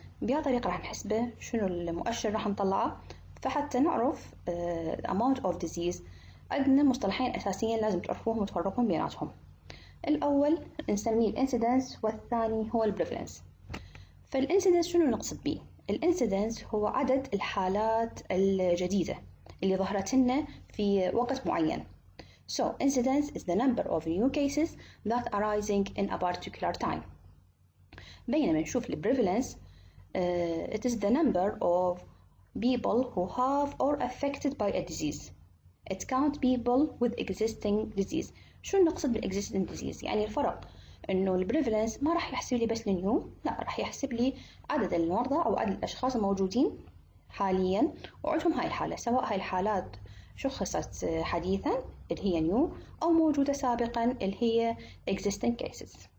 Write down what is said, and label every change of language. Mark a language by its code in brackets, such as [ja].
[ar] بيا طريقة راح نحسبه، شنو المؤشر راح نطلعه، فحتى نعرف [en] amount of disease [ar] عندنا مصطلحين أساسيين لازم تعرفوهم وتفرقهم بيناتهم. الأول نسميه الانسيدنس والثاني هو البريفلنس. فالانسيدنس شنو نقصد به؟ الانسيدنس هو عدد الحالات الجديدة اللي ظهرت لنا في وقت معين. [en] So incidence is the number of new cases that arising in a particular time. [ar] بينما نشوف [en] prevalence it is the number of people who have or affected by a disease. It count people with existing disease. [ar] شو نقصد بالexisting disease؟ يعني الفرق إنه prevalence ما راح يحسب لي بس النيو، لا راح يحسب لي عدد المرضى أو عدد الأشخاص الموجودين حاليا وعندهم هاي الحالة، سواء هاي الحالات شخصت حديثا اللي هي نيو أو موجودة سابقا اللي هي existing cases.